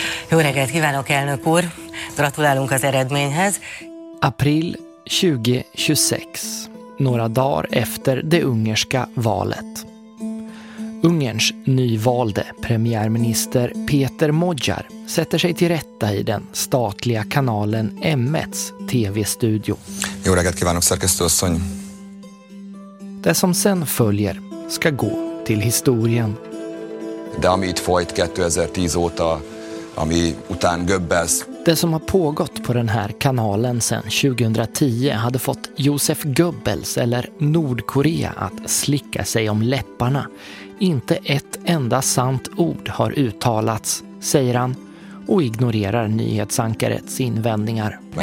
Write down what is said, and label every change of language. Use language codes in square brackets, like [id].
[hu] Jó reggelt kívánok, elnök úr! Gratulálunk az eredményhez! [sv] April 2026, några dagar efter det ungerska valet. Ungerns nyvalde premiärminister Peter Modjar sätter sig till rätta i den statliga kanalen M1s tv-studio. [hu] Jó reggelt kívánok, szerkesztőasszony! [sv] Det som sen följer ska gå till historien. [hu] De ami itt folyt 2010 óta, ami után Göbbels. [sv] Det som har pågått på den här kanalen sedan 2010 hade fått Josef Goebbels eller Nordkorea att slicka sig om läpparna. Inte ett enda sant ord har uttalats, säger han, och ignorerar nyhetsankarets invändningar.